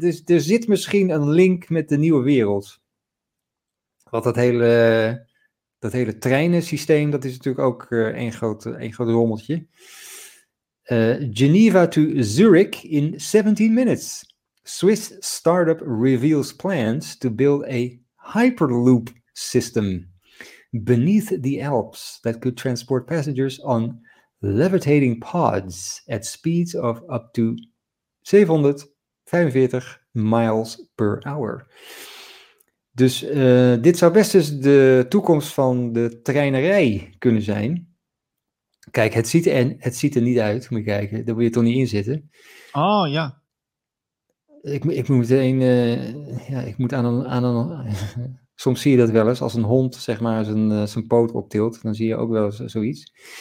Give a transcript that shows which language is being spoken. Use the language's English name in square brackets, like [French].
[Dutch] Dus, er zit misschien een link met de nieuwe wereld. Want dat hele treinensysteem, dat is natuurlijk ook een groot rommeltje. [English] Geneva to Zurich in 17 minutes. Swiss startup reveals plans to build a hyperloop system beneath the Alps that could transport passengers on levitating pods at speeds of up to 745 miles per hour. [Dutch] Dus dit zou best eens de toekomst van de treinerij kunnen zijn. Kijk, het ziet er niet uit, moet je kijken. Daar wil je toch niet in zitten. Oh, ja. Ik moet meteen, ik moet aan een soms zie je dat wel eens, als een hond zeg maar zijn poot optilt, dan zie je ook wel eens zoiets.